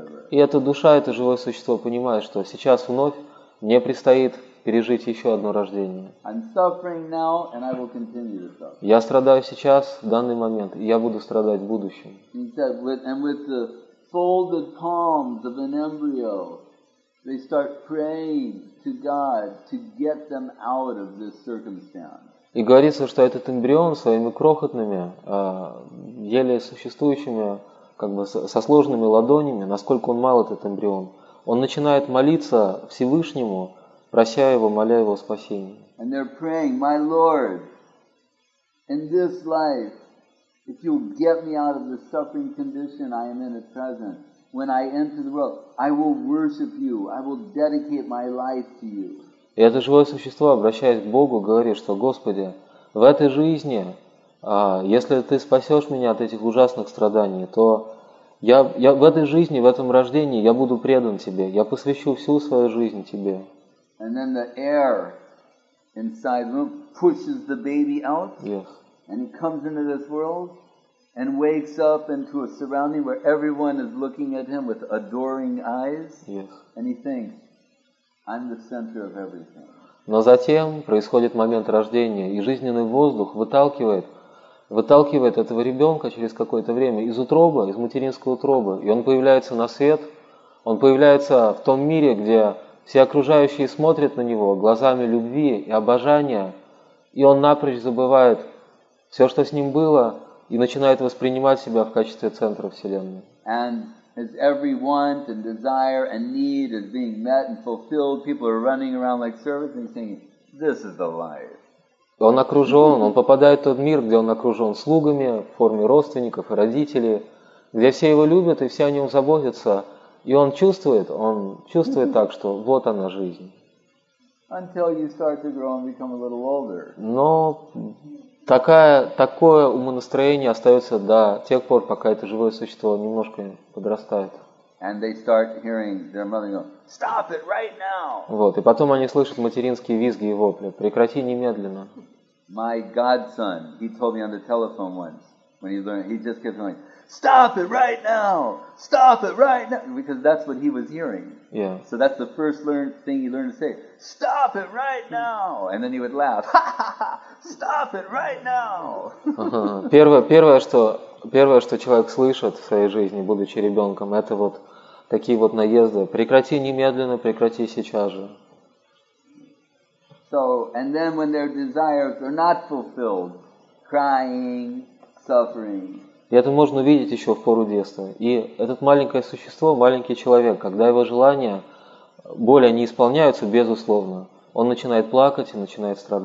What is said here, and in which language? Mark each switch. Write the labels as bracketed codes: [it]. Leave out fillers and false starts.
[ru] И эта душа, это живое существо понимает, что сейчас вновь мне предстоит пережить еще одно рождение. [en] I'm suffering now, and I will continue to suffer. [ru] Я страдаю сейчас, в данный момент, и я буду страдать в будущем. [en] He said, with the folded palms of an embryo, they start praying to God to get them out of this circumstance. [ru] И говорится, что этот эмбрион своими крохотными, еле существующими, как бы со сложными ладонями, насколько он мал этот эмбрион, он начинает молиться Всевышнему, прося его, моля его о спасении. [en] And they're praying, my Lord, in this life, if you'll get me out of the suffering condition I am in at present, when I enter the world, I will worship you, I will dedicate my life to you. [ru] И это живое существо, обращаясь к Богу, говорит, что «Господи, в этой жизни, если Ты спасешь меня от этих ужасных страданий, то я в этой жизни, в этом рождении, я буду предан Тебе, я посвящу всю свою жизнь Тебе». [en] And then the air inside room pushes the baby out, yes. And he comes into this world and wakes up into a surrounding where everyone is looking at him with adoring eyes, yes. And he thinks, I'm the center of everything. [ru] Но затем происходит момент рождения, и жизненный воздух выталкивает этого ребенка через какое-то время из утробы, из материнской утробы, и он появляется на свет, он появляется в том мире, где все окружающие смотрят на него глазами любви и обожания, и он напрочь забывает все, что с ним было, и начинает воспринимать себя в качестве центра Вселенной. [en] And as every want and desire and need is being met and fulfilled, people are running around like servants and saying, "This is the life." [ru] Он окружен, он попадает в тот мир, где он окружен слугами в форме родственников и родителей, где все его любят и все о нем заботятся, и он чувствует так, что вот она жизнь. [en] Until you start to grow and become a little older. [ru] Но такое умонастроение остается до тех пор, пока это живое существо немножко подрастает. [en] And they start hearing their mother go, "Stop it right now!" [ru] Вот, и потом они слышат материнские визги и вопли: "Прекрати немедленно!" [en] My godson, he told me on the telephone once when he learned, he just kept going, "Stop it right now! Stop it right now!" Because that's what he was hearing. Yeah. So that's the first learned thing he learned to say: "Stop it right now!" And then he would laugh. "Stop it right now!" [ru] Первое, что человек слышит в своей жизни, будучи ребенком, это вот такие вот наезды: "Прекрати немедленно! Прекрати сейчас же!" [en] So, and then when their desires are not fulfilled, crying, suffering. [ru] И это можно увидеть еще в пору детства. И это маленькое существо, маленький человек, когда его желания более не исполняются, безусловно, он начинает плакать и начинает